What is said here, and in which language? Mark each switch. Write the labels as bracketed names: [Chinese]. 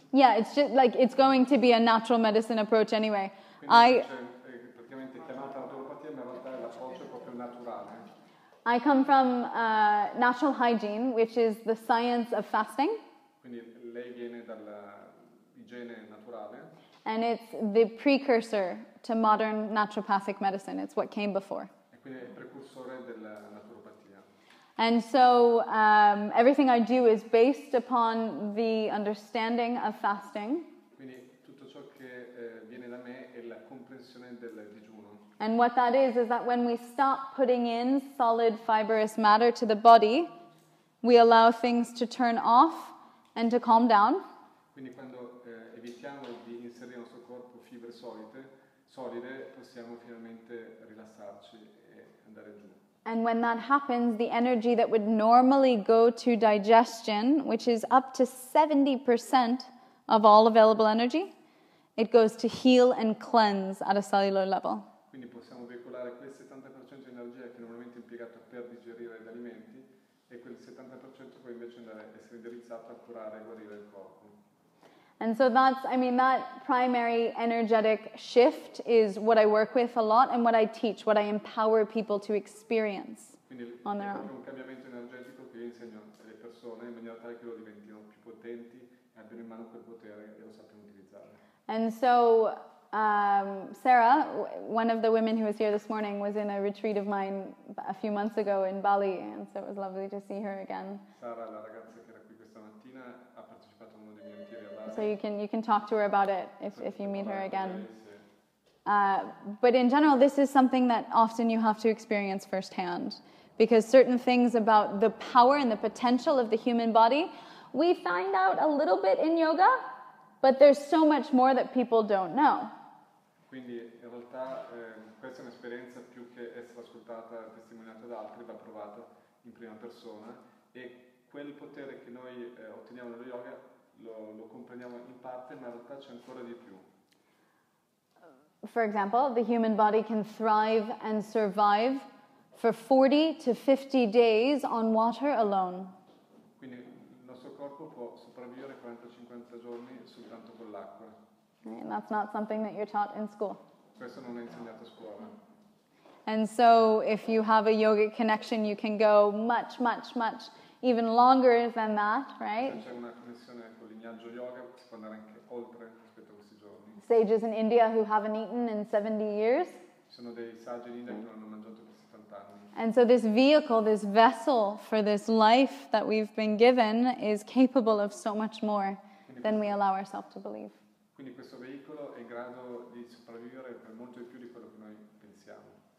[English] Yeah, it's just like it's going to be a natural medicine approach anyway. [Italian] Quindi, praticamente chiamata naturopatia, ma in realtà l'approccio è proprio naturale. [English] I come from natural hygiene, which is the science of fasting. [Italian] Quindi lei viene dalla igiene naturale. [English] And it's the precursor to modern naturopathic medicine. It's what came before. [Italian] E quindi è il precursore della naturopatia. [English] And so everything I do is based upon the understanding of fasting. [Italian] Quindi tutto ciò che viene da me è la comprensione del digiuno. [English] And what that is that when we stop putting in solid fibrous matter to the body, we allow things to turn off and to calm down. [Italian] Quindi quando evitiamo di inserire nel nostro corpo fibre solide, possiamo finalmente rilassarci e andare giù. [English] And when that happens, the energy that would normally go to digestion, which is up to 70% of all available energy, it goes to heal and cleanse at a cellular level. [Italian] Quindi possiamo veicolare quel 70% di energia che normalmente è impiegato per digerire gli alimenti e quel 70% può invece andare a essere indirizzato a curare e guarire il corpo. [English] And so that primary energetic shift is what I work with a lot and what I teach, what I empower people to experience. [Italian] Quindi [English] on their own. [Italian] È un cambiamento energetico che io insegno alle persone in maniera tale che lo diventino più potenti e abbiano in mano quel potere e lo sappiano utilizzare. [English] And so Sarah, one of the women who was here this morning, was in a retreat of mine a few months ago in Bali, and so it was lovely to see her again. [Italian] Sara, la ragazza che era qui questa mattina, ha partecipato a uno dei miei ritiri a Bali. [English] So you can talk to her about it if you meet her again. But in general, this is something that often you have to experience firsthand, because certain things about the power and the potential of the human body, we find out a little bit in yoga. But there's so much more that people don't know. [Italian] Quindi in realtà questa è un'esperienza più che essere ascoltata, testimoniata da altri, va provata in prima persona. E quel potere che noi otteniamo nello yoga lo comprendiamo in parte, ma in realtà c'è ancora di più. [English] For example, the human body can thrive and survive for 40 to 50 days on water alone. [Italian] Quindi il nostro corpo può sopravvivere 40-50 giorni soltanto con l'acqua. [English] And that's not something that you're taught in school. [Italian] Questo non è insegnato a scuola. [English] And so if you have a yogic connection, you can go much, much, much, even longer than that, right? [Italian] Se c'è una connessione con il linaggio yoga, si può andare anche oltre rispetto a questi giorni. [English] Sages in India who haven't eaten in 70 years. [Italian] sono dei saggi in India che non hanno mangiato per 70 anni. [English] And so this vehicle, this vessel for this life that we've been given is capable of so much more than we allow ourselves to believe. [Italian] Quindi questo veicolo è in grado di sopravvivere per molto di più di quello che noi pensiamo.